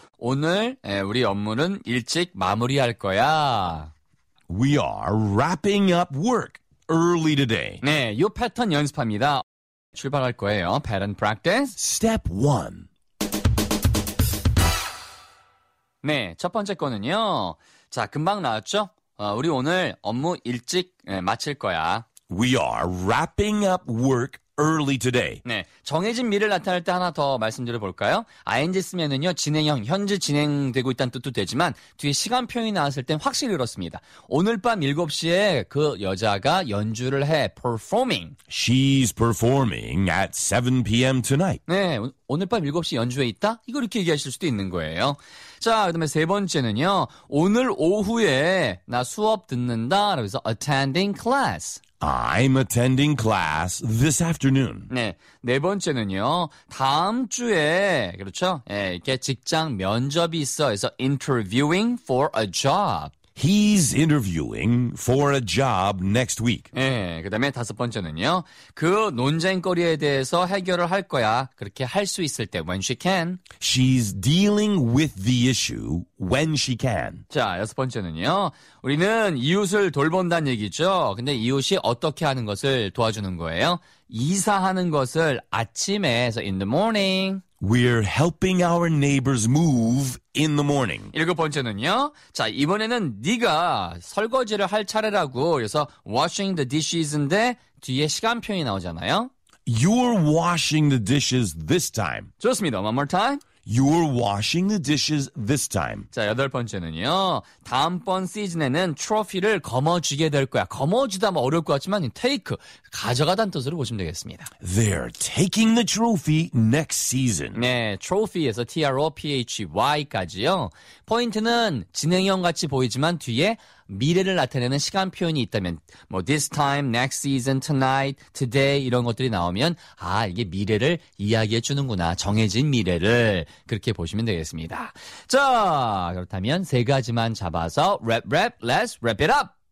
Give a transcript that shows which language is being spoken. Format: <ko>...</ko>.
<ko>오늘 우리 업무는 일찍 마무리할 거야.</ko> <en>We are wrapping up work early today.</en> <ko>네, 이 패턴 연습합니다. 출발할 거예요.</ko> <en>Pattern practice. Step 1.</en> <ko>네, 첫 번째 거는요. 자, 금방 나왔죠? 우리 오늘 업무 일찍 마칠 거야.</ko> <en>We are wrapping up work early today.</en> <ko>네, 정해진 미래를 나타낼 때 하나 더 말씀드려 볼까요? ing 쓰면은요, 진행형, 현재 진행되고 있다는 뜻도 되지만 뒤에 시간 표현이 나왔을 땐 확실히 그렇습니다. 오늘 밤 7시에 그 여자가 연주를 해, performing.</ko> <en>She's performing at 7 p.m. tonight.</en> <ko>네, 오늘 밤 7시 연주에 있다? 이거 이렇게 얘기하실 수도 있는 거예요. 자, 그다음에 세 번째는요. 오늘 오후에 나 수업 듣는다.</ko> <en>그래서 attending class. I'm attending class this afternoon.</en> <ko>네, 네 번째는요. 다음 주에, 그렇죠? 예, 이렇게 직장 면접이 있어.</ko> <en>그래서 interviewing for a job. He's interviewing for a job next week.</en> <ko>네, 그다음에 다섯 번째는요. 그 논쟁거리에 대해서 해결을 할 거야. 그렇게 할 수 있을 때,</ko> <en>when she can. She's dealing with the issue when she can.</en> <ko>자, 여섯 번째는요. 우리는 이웃을 돌본다는 얘기죠. 근데 이웃이 어떻게 하는 것을 도와주는 거예요? 이사하는 것을 아침에,</ko> <en>so in the morning. We're helping our neighbors move in the morning.</en> <ko>일곱 번째는요. 자, 이번에는 네가 설거지를 할 차례라고. 그래서</ko> <en>washing the dishes</en> <ko>인데 뒤에 시간 표현이 나오잖아요.</ko> <en>You're washing the dishes this time.</en> <ko>좋습니다.</ko> <en>One more time. You're washing the dishes this time.</en> <ko>자, 여덟 번째는요. 다음번 시즌에는 트로피를 거머쥐게 될 거야. 거머쥐다 뭐 어려울 것 같지만 take, 가져가다는 뜻으로 보시면 되겠습니다.</ko> <en>They're taking the trophy next season.</en> <ko>네, trophy에서 T-R-O-P-H-Y까지요. 포인트는 진행형 같이 보이지만 뒤에 미래를 나타내는 시간 표현이 있다면 뭐 this time, next season, tonight, today 이런 것들이 나오면 아, 이게 미래를 이야기해 주는구나. 정해진 미래를 그렇게 보시면 되겠습니다. 자, 그렇다면 세 가지만 잡아서 랩 랩</ko> <en>let's wrap it up.</en>